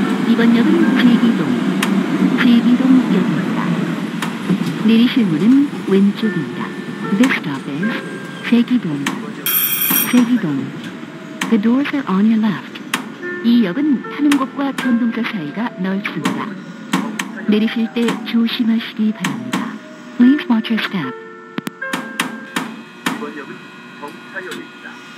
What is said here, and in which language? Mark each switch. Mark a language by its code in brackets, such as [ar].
[ko] 이번 역은 제기동, 제기동역입니다. 내리실 문은 왼쪽입니다. [en] This stop is 제기동, 제기동. The doors are on your left. [ko] 이 역은 타는 곳과 전동차 사이가 넓습니다. 내리실 때 조심하시기 바랍니다. [en] Please watch your step. [ko] 이번 역은 정차역입니다.